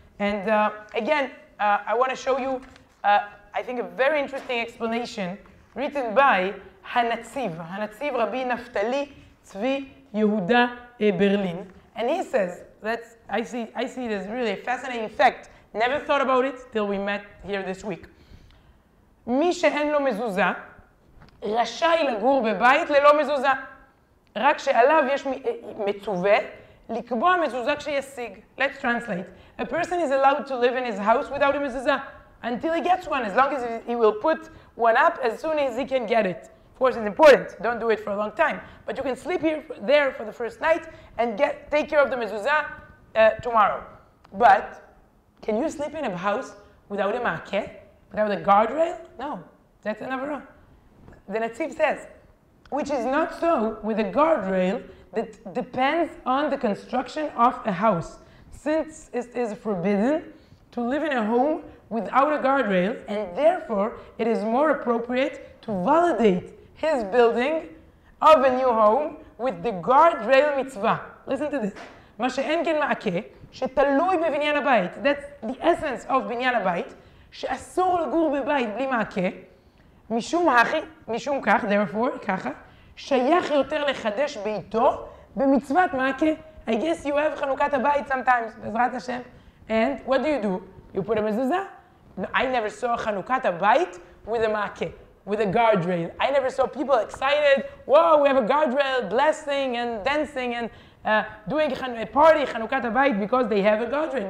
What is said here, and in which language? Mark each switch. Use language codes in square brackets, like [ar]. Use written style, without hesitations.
[en] And again, I want to show you, I think, a very interesting explanation written by Hanatziv. Hanatziv Rabbi Naftali Tzvi Yehuda Berlin. And he says, I see this really fascinating fact. Never thought about it till we met here this week. [he] מי שאין לו מזוזה, רשאי לגור בבית ללא מזוזה. רק שעליו יש מצווה לקבוע מזוזה כשישיג. [en] Let's translate. A person is allowed to live in his house without a mezuzah until he gets one, as long as he will put one up as soon as he can get it. Of course, it's important. Don't do it for a long time. But you can sleep here, there for the first night and take care of the mezuzah tomorrow. But can you sleep in a house without a ma'akeh? Without a guardrail? No, that's an avera. The Netziv says, which is not so with a guardrail that depends on the construction of a house. Since it is forbidden to live in a home without a guardrail, and therefore it is more appropriate to validate his building of a new home with the guardrail mitzvah. Listen to this. [he] מה שאין כן מעקה שתלוי בבניין הבית. [en] That's the essence of [he] בניין הבית. שאסור לגור בבית בלי מעקה, משום כך, therefore, ככה, שייך יותר לחדש ביתו במצוות מעקה. [en] I guess you have [he] חנוכת הבית [en] sometimes, [he] בעזרת השם. [en] And what do? You put a mezuzah? No, I never saw [he] חנוכת הבית [en] with a מעקה, with a guardrail. I never saw people excited, whoa, we have a guardrail, blessing and dancing and doing a party, [he] חנוכת הבית, [en] because they have a guardrail.